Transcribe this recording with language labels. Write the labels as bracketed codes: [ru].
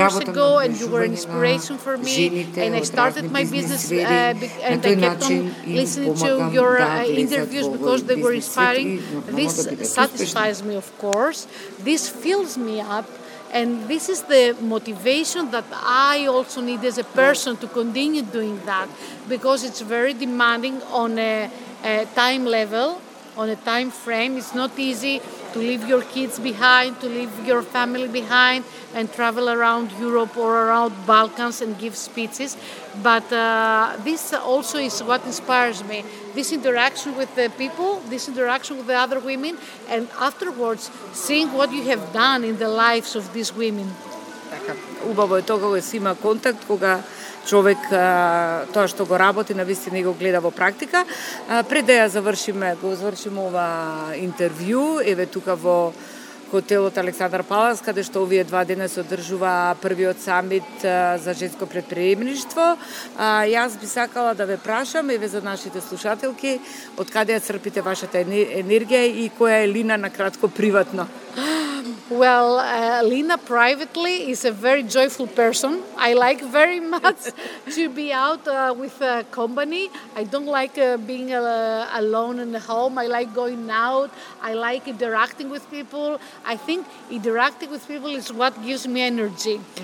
[mk] Работам на наменување на жените од разни бизнес сфери. На тој начин им помагам да влезат во овој бизнес сфери. [en] This satisfies me, of course. This fills me up, and this is the motivation that I also need as a person to continue doing that, because it's very demanding on a time level, on a time frame. It's not easy to leave your kids behind, to leave your family behind, and travel around Europe or around Balkans and give speeches. But this also is what inspires me. This interaction with the people, this interaction with the other women, and afterwards, seeing what you have done in the lives of these women. [mk] Убаво е тоа кога се има контакт, кога човек тоа што го работи на вистина го гледа во практика. Пред да ја завршиме ова интервју, еве тука во хотелот Александар Палас, каде што овие два дена се одржува првиот самит за женско предприемништво. Јас би сакала да ве прашам, еве за нашите слушателки, од каде ја црпите вашата енергија и која е Лина на кратко приватно? [en] Well, Lina privately is a very joyful person. I like very much to be out with company. I don't like being alone in the home. I like going out. I like interacting with people. I think interacting with people is what gives me energy.